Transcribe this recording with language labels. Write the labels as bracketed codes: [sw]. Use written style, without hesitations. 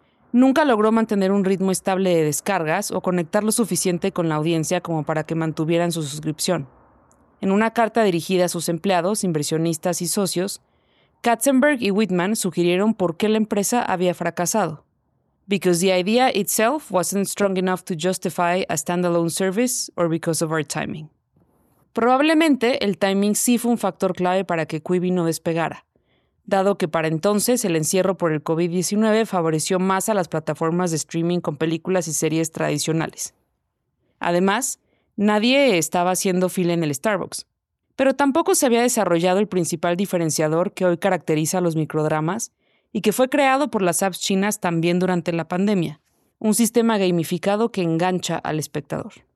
[es] Nunca logró mantener un ritmo estable de descargas o conectar lo suficiente con la audiencia como para que mantuvieran su suscripción. En una carta dirigida a sus empleados, inversionistas y socios, Katzenberg y Whitman sugirieron por qué la empresa había fracasado. [en] Because the idea itself wasn't strong enough to justify a standalone service or because of our timing. [es] Probablemente el timing sí fue un factor clave para que Quibi no despegara, dado que para entonces el encierro por el COVID-19 favoreció más a las plataformas de streaming con películas y series tradicionales. Además, nadie estaba haciendo fila en el Starbucks, pero tampoco se había desarrollado el principal diferenciador que hoy caracteriza a los microdramas y que fue creado por las apps chinas también durante la pandemia, un sistema gamificado que engancha al espectador.